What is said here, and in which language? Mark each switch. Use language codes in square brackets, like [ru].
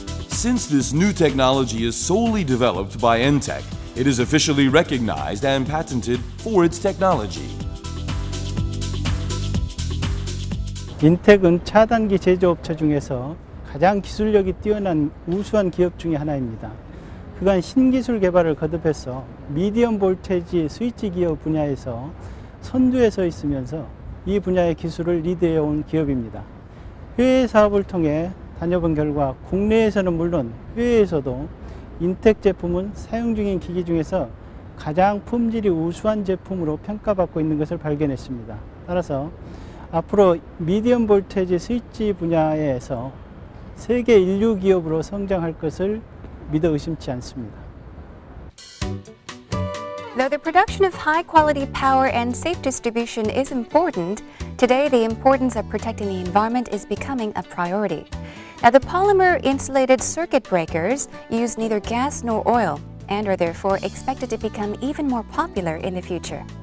[en] Since this new technology is solely developed by Entech, it is officially recognized and patented for its technology. Entech is the most advanced manufacturing company in the technology. [ko] 그간 신기술 개발을 거듭해서 미디엄 볼테지 스위치 기업 분야에서 선두에 서 있으면서 이 분야의 기술을 리드해 온 기업입니다. 해외 사업을 통해 다녀본 결과 국내에서는 물론 해외에서도 인텍 제품은 사용 중인 기기 중에서 가장 품질이 우수한 제품으로 평가받고 있는 것을 발견했습니다. 따라서 앞으로 미디엄 볼테지 스위치 분야에서 세계 인류 기업으로 성장할 것을 믿어 의심치 않습니다. [en] Though the production of high-quality power and safe distribution is important, today the importance of protecting the environment is becoming a priority. Now, the polymer insulated circuit breakers use neither gas nor oil and are therefore expected to become even more popular in the future.